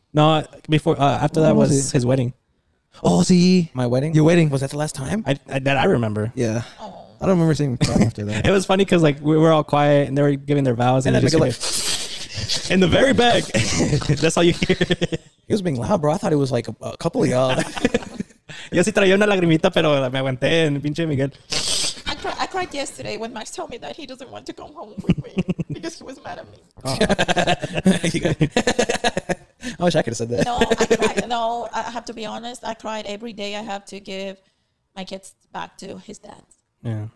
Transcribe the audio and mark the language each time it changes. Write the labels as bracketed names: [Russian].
[English] No, before, after when that was his wedding. Oh, see. My wedding? Your wedding. Was that the last time? I remember. Yeah. Aww. I don't remember seeing him after that. It was funny because like we were all quiet and they were giving their vows. And then just like, in the very back. That's all you hear. He was being loud, bro. I thought it was like a couple of y'all. [Spanish] Yo sí traía una lagrimita, pero me aguanté en pinche Miguel. [English] I cried yesterday when Max told me that he doesn't want to come home with me because he was mad at me. Oh. <You go. laughs> I wish I could have said that. No, I have to be honest. I cried every day. I have to give my kids back to his dad. Yeah.